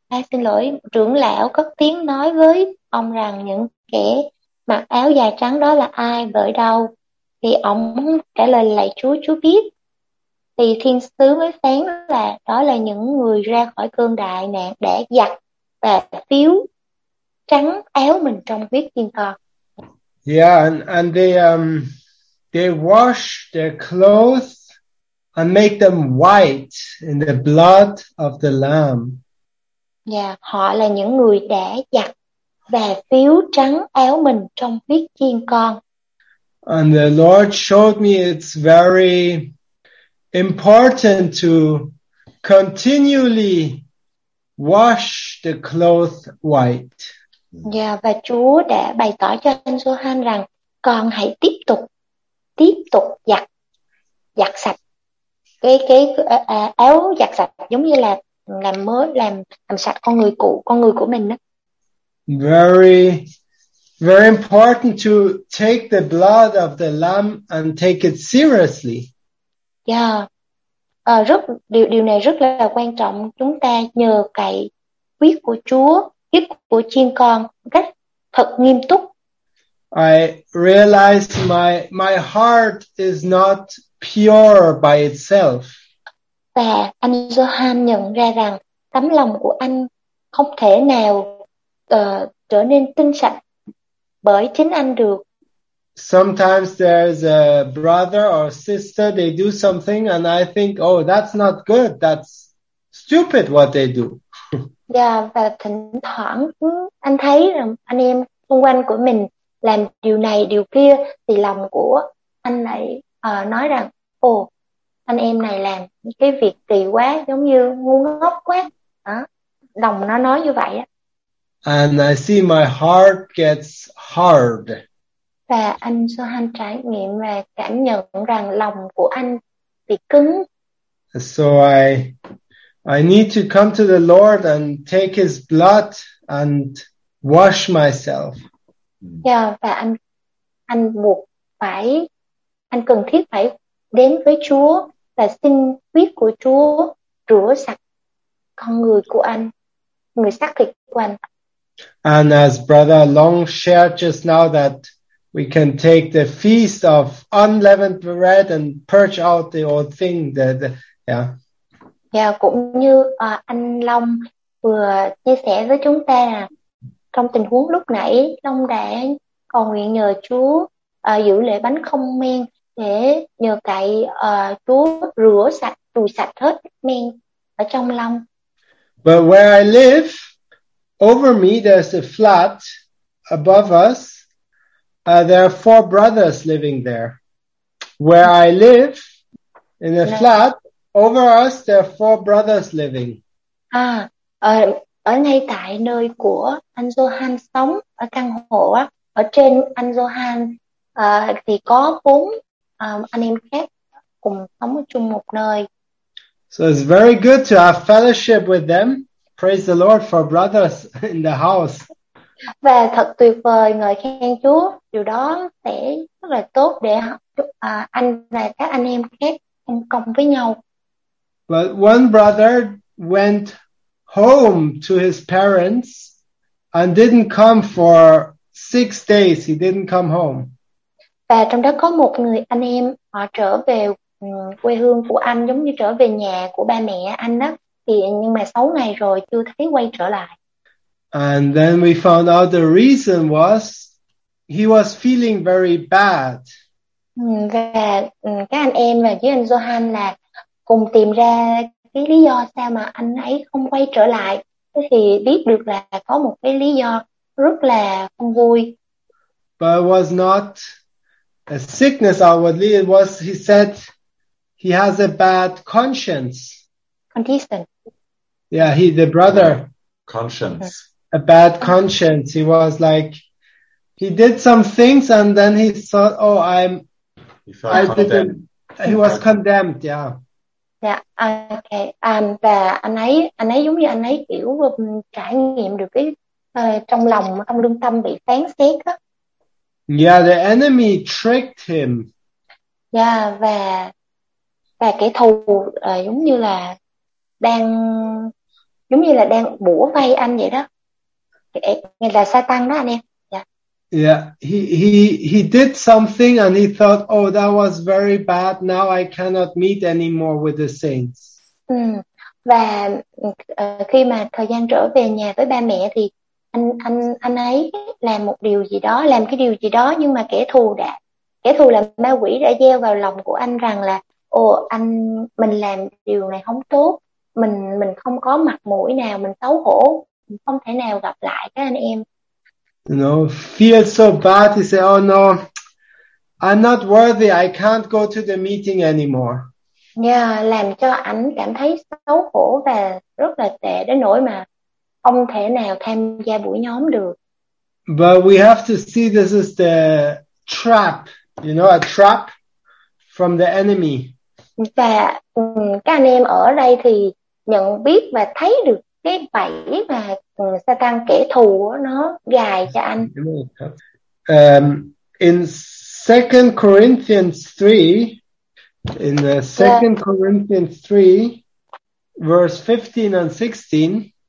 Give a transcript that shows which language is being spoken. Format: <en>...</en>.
<vi>Xin lỗi, trưởng lão cất tiếng nói với ông rằng những kẻ mặc áo dài trắng đó là ai, bởi đâu? Thì ông trả lời lại Chúa biết. Thì thiên sứ mới phán là đó là những người ra khỏi cơn đại nạn để giặt và phiếu trắng áo mình trong huyết chiên con.</vi> <en>Yeah, and they wash their clothes and make them white in the blood of the Lamb.</en> <vi>Yeah, họ là những người đã giặt và phiếu trắng áo mình trong huyết chiên con.</vi> <en>And the Lord showed me it's very important to continually wash the clothes white.</en> <vi>Yeah, và Chúa đã bày tỏ cho anh Johan rằng con hãy tiếp tục giặt sạch cái áo giặt sạch giống như là làm mới làm sạch con người của mình đó.</vi> <en>Very very important to take the blood of the lamb and take it seriously. Yeah.</en> <vi>Điều này rất là quan trọng. Chúng ta nhờ cậy huyết của Chúa, huyết của chiên con rất thật nghiêm túc.</vi> <en>I realize my heart is not pure by itself.</en> <vi>Và anh Johan nhận ra rằng tấm lòng của anh không thể nào trở nên tinh sạch bởi chính anh được.</vi> <en>Sometimes there's a brother or sister, they do something and I think, oh, that's not good, that's stupid what they do.</en> <vi>Yeah, và thỉnh thoảng anh thấy rằng anh em xung quanh của mình làm điều này điều kia thì lòng của anh lại nói rằng, oh, anh em này làm cái việc kỳ quá, giống như ngu ngốc quá. Đó. Đồng nó nói như vậy.</vi> <en>And I see my heart gets hard.</en> <vi>Và anh Sohan trải nghiệm và cảm nhận rằng lòng của anh bị cứng.</vi> <en>So I need to come to the Lord and take his blood and wash myself.</en> <vi>Yeah, và anh cần thiết phải đến với Chúa và xin huyết của Chúa rửa sạch con người của anh, người xác thịt của anh.</vi> <en>And as Brother Long shared just now that we can take the feast of unleavened bread and purge out the old thing. Yeah,</en> <vi>cũng như anh Long vừa chia sẻ với chúng ta là trong tình huống lúc nãy, Long đã cầu nguyện nhờ Chúa giữ lễ bánh không men để nhờ cậy Chúa rửa sạch, chùi sạch hết men ở trong Long.</vi> <en>But where I live, over me there's a flat above us. There are four brothers living there. Where I live, in a flat, over us, there are four brothers living.</en> <vi>Ở ngay tại nơi của anh Johan sống, ở căn hộ, ở trên anh Johan, thì có bốn anh em khác cùng sống chung một nơi.</vi> <en>So it's very good to have fellowship with them. Praise the Lord for brothers in the house.</en> <vi>Và thật tuyệt vời, ngợi khen Chúa, điều đó sẽ rất là tốt để anh và các anh em khác cùng công với nhau.</vi> <en>But one brother went home to his parents and didn't come for 6 days, he didn't come home.</en> <vi>Và trong đó có một người anh em họ trở về quê hương của anh, giống như trở về nhà của ba mẹ anh đó, thì nhưng mà 6 ngày rồi chưa thấy quay trở lại.</vi> <en>And then we found out the reason was he was feeling very bad.</en> <vi>Và các anh em và với anh Johan là cùng tìm ra cái lý do sao mà anh ấy không quay trở lại. Thế thì biết được là có một cái lý do rất là không vui.</vi> <en>But it was not a sickness outwardly. It was, he said, he has a bad conscience. Condition. Yeah, he, the brother. Conscience. A bad conscience. He was like, he did some things and then he thought, oh, I'm... He felt condemned. He was condemned, yeah. Yeah, okay.</en> <vi>Và anh ấy giống như anh ấy kiểu trải nghiệm được cái trong lòng, trong lương tâm bị phán xét á.</vi> <en>Yeah, the enemy tricked him.</en> <vi>Yeah, và kẻ thù giống như là đang bủa vây anh vậy đó. Nghe là Satan đó anh em. Yeah.</vi> <en>Yeah, he did something and he thought, oh, that was very bad. Now I cannot meet anymore with the saints.</en> <vi>Và khi mà thời gian trở về nhà với ba mẹ thì anh ấy làm một điều gì đó, làm cái điều gì đó, nhưng mà kẻ thù là ma quỷ đã gieo vào lòng của anh rằng là, anh mình làm điều này không tốt, mình không có mặt mũi nào, mình xấu hổ. Không thể nào gặp lại các anh em.</vi> <en>You know, feel so bad. He said, oh no, I'm not worthy. I can't go to the meeting anymore.</en> <vi>Yeah, làm cho anh cảm thấy xấu hổ và rất là tệ đến nỗi mà không thể nào tham gia buổi nhóm được.</vi> <en>But we have to see this is the trap, you know, a trap from the enemy.</en> <vi>Và các anh em ở đây thì nhận biết và thấy được cái bẫy mà Satan kẻ thù nó gài cho anh.</vi> <en>In 2 Corinthians 3, In the second Corinthians 3, verse 15 and 16.</en>